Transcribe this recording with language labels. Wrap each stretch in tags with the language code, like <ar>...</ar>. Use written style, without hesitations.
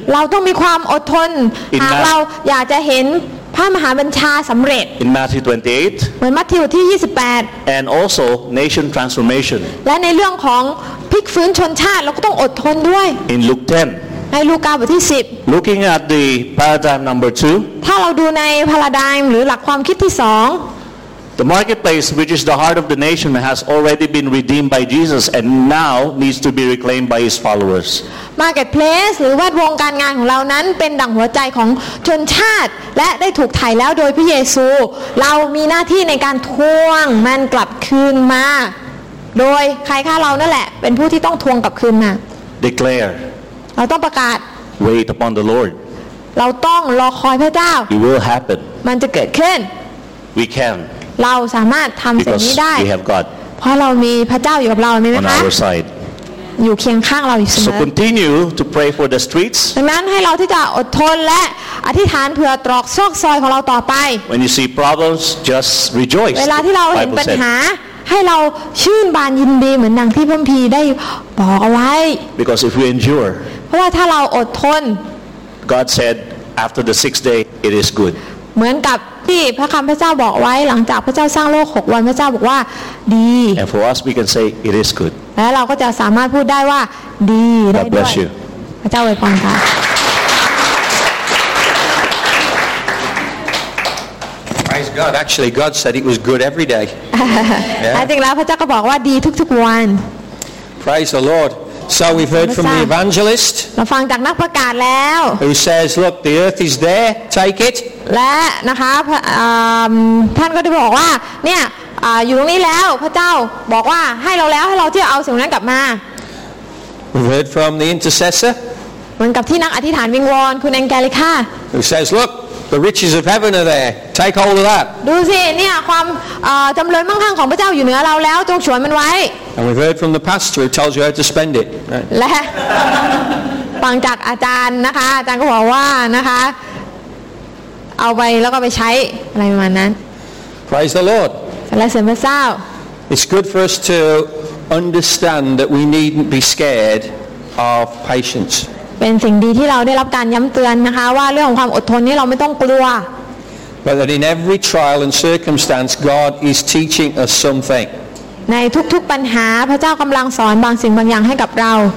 <th>เราต้องมีความอดทนหากเราอยากจะเห็นพระมหาบัญชาสำเร็จ</th> <en>In Matthew 28</en> <th>เหมือนมัทธิวที่28</th> <en>And also nation transformation</en> <th>และในเรื่องของพลิกฟื้นชนชาติเราก็ต้องอดทนด้วย</th> <en>In Luke 10</en> <th>ในลูกาบทที่10</th> <en>Looking at the paradigm number 2</en> <th>ถ้าเราดูในพาราไดม์หรือหลักความคิดที่2</th> <en>The marketplace, which is the heart of the nation, has already been redeemed by Jesus, and now needs to be reclaimed by His followers.</en> <th>Marketplace, หรือว่าวงการงานของเรานั้นเป็นดั่งหัวใจของชนชาติและได้ถูกไถ่แล้วโดยพระเยซูเรามีหน้าที่ในการทวงมันกลับคืนมาโดยใครคะเรานั่นแหละเป็นผู้ที่ต้องทวงกลับคืนมา</th> <en>Declare.</en> <th>เราต้องประกาศ</th> <en>Wait upon the Lord.</en> <th>เราต้องรอคอยพระเจ้า</th> <en>It will happen.</en> <th>มันจะเกิดขึ้น</th> <en>We can.</en> <th>เราสามารถทำสิ่งนี้ ได้เพราะเรามีพระเจ้าอยู่กับเราใช่ไหมคะอยู่เคียงข้างเราอยู่เสมอ</th> <en>So continue to pray for the streets</en> <th>ดังนั้นให้เราที่จะอดทนและอธิษฐานเพื่อตรอกซอกซอยของเราต่อไป</th> <en>When you see problems just rejoice</en> <th>เวลาที่เราเห็นปัญหาให้เราชื่นบานยินดีเหมือนดังที่พระคัมภีร์ได้บอกเอาไว้</th> <en>Because if we endure</en> <th>เพราะว่าถ้าเราอดทน</th> <en>God said after the sixth day it is good</en> <th>เหมือนกับที่พระคำพระเจ้าบอกไว้หลังจากพระเจ้าสร้างโลก6วันพระเจ้าบอกว่าดี</th> <en>And for us we can say it is good</en> <th>และเราก็จะสามารถพูดได้ว่าดีได้ด้วย</th> <en>God bless you</en> <th>พระเจ้าอวยพรค่ะ</th> <en>Praise God actually God said it was good every day</en> <th>แต่จริงแล้วพระเจ้าก็บอกว่าดีทุกๆวัน</th> <en>Praise the LordSo we've heard from the evangelist.</en> <th>เราฟังจากนักประกาศแล้ว</th> <en>Who says, "Look, the earth is there. Take it."</en> <th>และนะคะท่านก็ได้บอกว่าเนี่ยอยู่ตรงนี้แล้วพระเจ้าบอกว่าให้เราแล้วให้เราที่เอาสิ่งนั้นกลับมา</th> <en>We've heard from the intercessor.</en> <th>เหมือนกับที่นักอธิษฐานวิงวอนคุณแองเจลิก้า</th> <en>Who says, "Look, the riches of heaven are there. Take hold of that."</en> <th>ดูสิเนี่ยความจำเริญมั่งคั่งของพระเจ้าอยู่เหนือเราแล้วจงฉวยมันไว้</th> <en>And we've heard from the pastor who tells you how to spend it.</en> <th>และฟังจากอาจารย์นะคะอาจารย์ก็บอกว่านะคะเอาไปแล้วก็ไปใช้อะไรประมาณนั้น</th> <en>Praise the Lord.</en> <th>และเสริมพระเจ้า</th> <en>It's good for us to understand that we needn't be scared of patience.</en> <th>เป็นสิ่งดีที่เราได้รับการย้ำเตือนนะคะว่าเรื่องของความอดทนนี้เราไม่ต้องกลัว</th> <en>But that in every trial and circumstance, God is teaching us something.</en> <th>ในทุกๆปัญหาพระเจ้ากำลังสอนบางสิ่งบางอย่างให้กับเรา</th>